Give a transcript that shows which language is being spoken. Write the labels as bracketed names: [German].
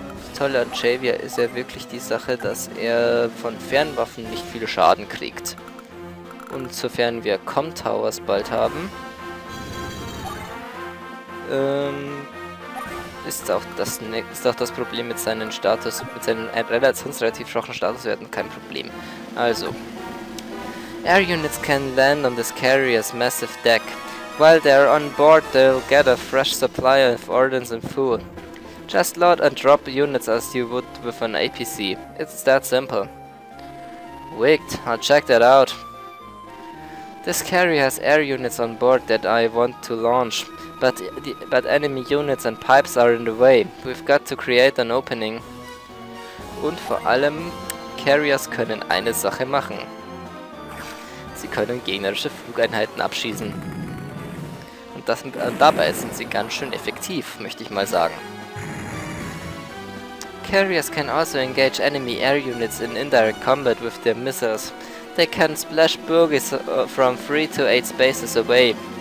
[German] Das Tolle an Xavier ist ja wirklich die Sache, dass er von Fernwaffen nicht viel Schaden kriegt. Und sofern wir Comtowers bald haben, ist auch das Problem mit seinen Status, mit seinen relativ schwachen Statuswerten kein Problem. Also. [English] Air units can land on this carrier's massive deck. While they're on board, they'll get a fresh supply of ordnance and food. Just load and drop units as you would with an APC. It's that simple. Wicked, I'll check that out. This carrier has air units on board that I want to launch. But enemy units and pipes are in the way. We've got to create an opening. [German] Und vor allem, Carriers können eine Sache machen. Sie können gegnerische Flugeinheiten abschießen. Und das, dabei sind sie ganz schön effektiv, möchte ich mal sagen. [English] Carriers can also engage enemy air units in indirect combat with their missiles. They can splash bogies from 3 to 8 spaces away.